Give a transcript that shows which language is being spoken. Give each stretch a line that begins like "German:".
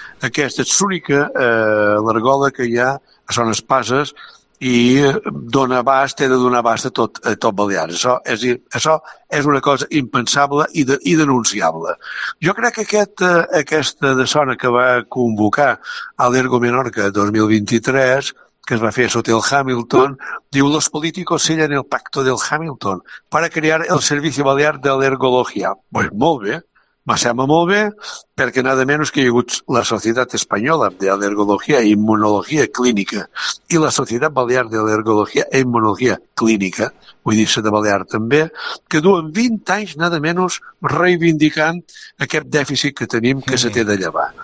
Catalan: Aquesta és l'única al·lergòleg que hi ha a Son Espases i dona abast, té de donar abast a tot Balears. Això és una cosa impensable i denunciable. Jo crec que aquesta de Sona que va convocar a l'Ergo Menorca 2023... que es va fer a Hotel Hamilton, diu,
Spanish: los políticos sellan el pacto del Hamilton para crear el Servicio Balear de Alergología.
Catalan: Pues molt bé, me sembla molt bé, perquè
Spanish: nada menos
Catalan: que hi ha hagut la Societat Espanyola de Alergología e Immunología Clínica i la Societat Balear de Alergología e Immunología Clínica, vull dir-se de Balear també, que duen 20 anys nada menos reivindicant aquest dèficit que tenim que se té de llevar.